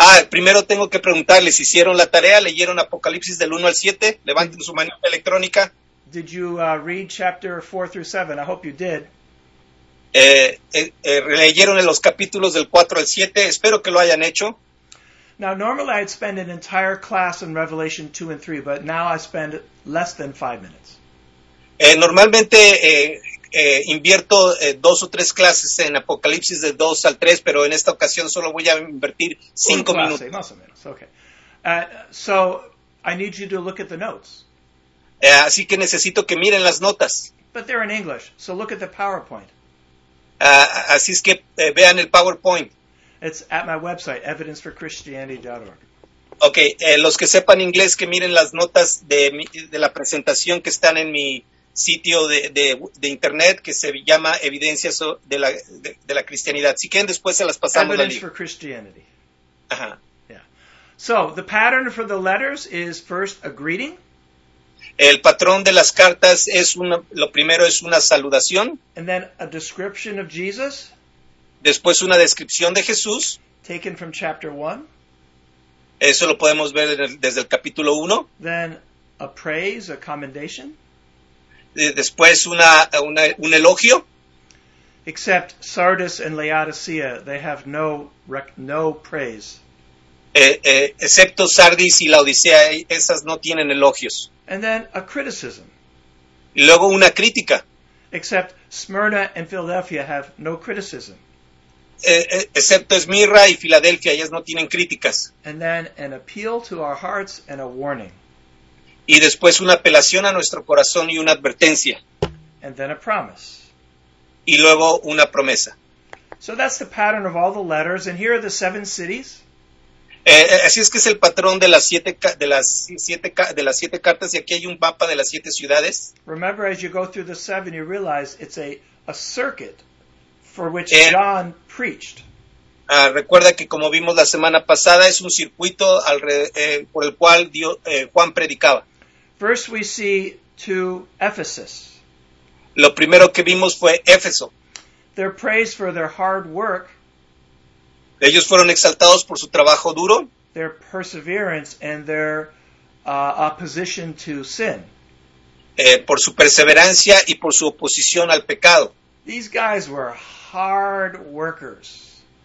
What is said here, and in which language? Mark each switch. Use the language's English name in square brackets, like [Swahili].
[Spanish] Primero tengo que preguntarles, ¿hicieron la tarea? ¿Leyeron Apocalipsis del 1 al 7? Levanten su mano electrónica. [English] Did you read chapter 4 through 7? I hope you did. [Spanish] ¿Leyeron en los capítulos del 4 al 7? Espero que lo hayan hecho. [English] Now, normally I'd spend an entire class in Revelation 2 and 3, but now I spend less than 5 minutes. [Spanish] Normalmente invierto dos o tres clases en Apocalipsis de 2 al 3, pero en esta ocasión solo voy a invertir 5 minutos. Más o menos. Okay. [English] So I need you to look at the notes. [Spanish] Así que necesito que miren las notas. [English] But they're in English, so look at the PowerPoint. [Spanish] Así es que vean el PowerPoint. [English] It's at my website, evidenceforchristianity.org. [Spanish] Okay, los que sepan inglés que miren las notas de la presentación que están en mi sitio de internet que se llama Evidencias de la Cristianidad. Si quieren después se las pasamos. [English] Evidence for Christianity. Uh-huh. Yeah. So the pattern for the letters is first a greeting. [Spanish] El patrón de las cartas es lo primero es una saludación. [English] And then a description of Jesus. [Spanish] Después una descripción de Jesús. [English] Taken from chapter 1. [Spanish] Eso lo podemos ver desde el capítulo 1. [English] Then a praise, a commendation. [Spanish] Después un elogio. [English] Except Sardis and Laodicea, they have no praise. [Spanish] Excepto Sardis y Laodicea, esas no tienen elogios. [English] And then a criticism. [Spanish] Y luego una crítica. [English] Except Smyrna and Philadelphia have no criticism. [Spanish] Excepto Esmirra y Filadelfia, ellas no tienen críticas. [English] And then an appeal to our hearts and a warning. [Spanish] Y después una apelación a nuestro corazón y una advertencia. [English] And then a promise. [Spanish] Y luego una promesa. [English] So that's the pattern of all the letters, and here are the seven cities. [Spanish] Así es que es el patrón de las siete cartas, y aquí hay un mapa de las siete ciudades. [English] Remember, as you go through the seven, you realize it's a circuit for which John preached. [Spanish] Recuerda que como vimos la semana pasada, es un circuito por el cual Juan predicaba. [English] First we see to Ephesus. [Spanish] Lo primero que vimos fue Éfeso. [English] Their praise for their hard work. [Spanish] Ellos fueron exaltados por su trabajo duro. [English] Their perseverance and their opposition to sin. [Spanish] Por su perseverancia y por su oposición al pecado. [English] These guys were hard workers.